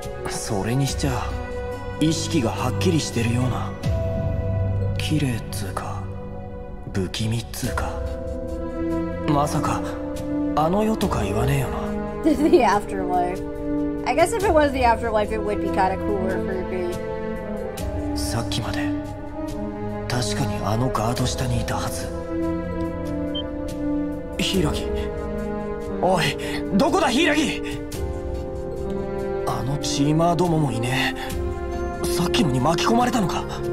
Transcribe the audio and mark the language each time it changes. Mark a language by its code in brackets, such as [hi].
[ja] それにしちゃ意識がはっきりしてるような。綺麗っつうか、不気味っつうか。まさか、あの世とか言わねえよな。 [en] The afterlife. I guess if it was the afterlife, it would be kind of cool or creepy. [ja] さっきまで、確かにあのガード下にいたはず。ヒイラギ。おい、どこだヒイラギ! あのチーマーどももいねえ。さっきのに巻き込まれたのか?